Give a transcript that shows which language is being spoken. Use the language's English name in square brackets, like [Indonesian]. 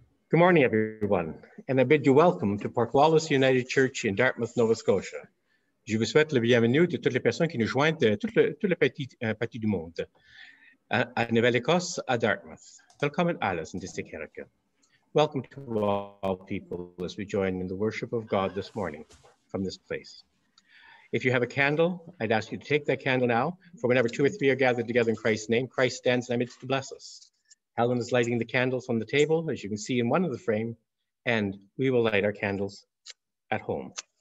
[English] Good morning, everyone, and I bid you welcome to Port Wallis United Church in Dartmouth, Nova Scotia. [French] Je vous souhaite la bienvenue de toutes les personnes qui nous joignent de toutes les parties du monde à Nouvelle-Écosse, à Dartmouth. [English] Welcome to Alice in District Erica. Welcome to all people as we join in the worship of God this morning from this place. If you have a candle, I'd ask you to take that candle now, for whenever two or three are gathered together in Christ's name, Christ stands in the midst to bless us. Helen is lighting the candles on the table, as you can see in one of the frame, and we will light our candles at home.